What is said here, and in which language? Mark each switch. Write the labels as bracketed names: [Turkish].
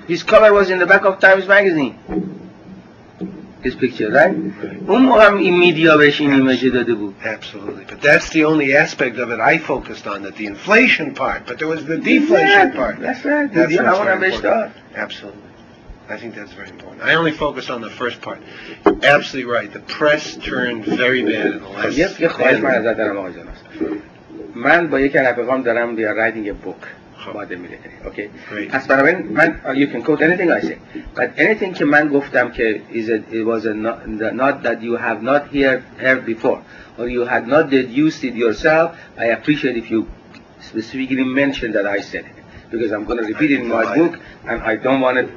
[English] His cover was in the back of Times magazine. His picture, right? [Persian] اون موقع هم این میدیا بهش این ایمیج داده بود. [English] Absolutely. But that's the only aspect of it I focused on, that the inflation part. But there was the deflation part. That's right. That's what I want to bash that. Absolutely. I think that's very important. I only focused on the first part. Absolutely right. The press turned very bad in the last. [Persian] Yes, یه خواهش من ازت دارم آقای جان. من با یک رفیقم دارم دی رایتینگ ا بوک. [English] Okay. Great. من, you can quote anything I say, but anything [Persian] که من گفتم که [English] is a, it was a not that you have not heard before, or you had not deduced it yourself, I appreciate if you specifically mention that I said it, because I'm going to repeat it in my book, and I don't want it.